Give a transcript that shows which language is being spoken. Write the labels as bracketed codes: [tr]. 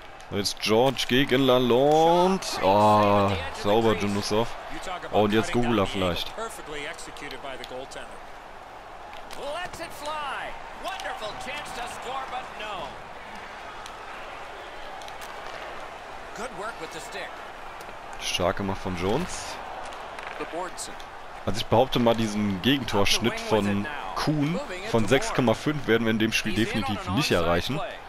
[de] Jetzt George gegen Lalonde. Oh, sauber, Junusov. Oh, und jetzt Gugula vielleicht. [en] Let's it fly. Wonderful chance to score, but no. Good work with the stick. [de] Starke Macht von Jones. Also ich behaupte mal, diesen Gegentorschnitt von Kuhn von 6,5 werden wir in dem Spiel definitiv nicht erreichen.